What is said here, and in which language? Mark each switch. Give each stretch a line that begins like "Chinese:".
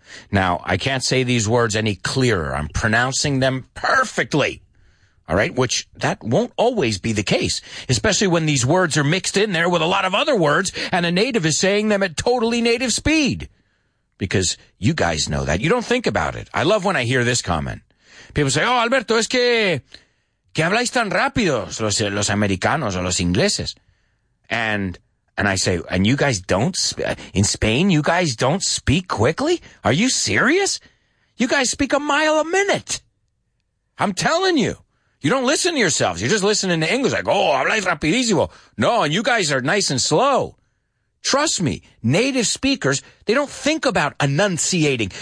English: Now, I can't say these words any clearer. I'm pronouncing them perfectly. All right, which that won't always be the case, especially when these words are mixed in there with a lot of other words and a native is saying them at totally native speed. Because you guys know that. You don't think about it. I love when I hear this comment. People say, oh, Alberto, es que...
Spanish: ¿Qué habláis tan rápido, los americanos o los ingleses?
English: And I say, and you guys don't, in Spain, you guys don't speak quickly? Are you serious? You guys speak a mile a minute. I'm telling you. You don't listen to yourselves. You're just listening to English. Like, oh, habláis rapidísimo. No, and you guys are nice and slow. Trust me, native speakers, they don't think about enunciating.